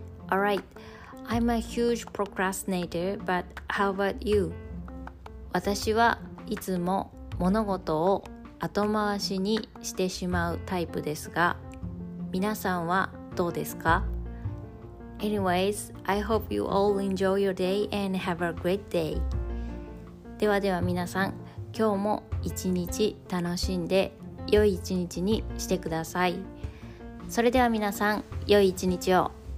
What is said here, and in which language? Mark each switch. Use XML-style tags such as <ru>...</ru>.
<en>Alright, I'm a huge procrastinator, but how about you?</en> <ja>私はいつも物事を後回しにしてしまうタイプですが、皆さんはどうですか?</ja> <en>Anyways, I hope you all enjoy your day and have a great day.</en> <ja>ではでは皆さん、今日も一日楽しんで良い一日にしてください。それでは皆さん、良い一日を。</ja>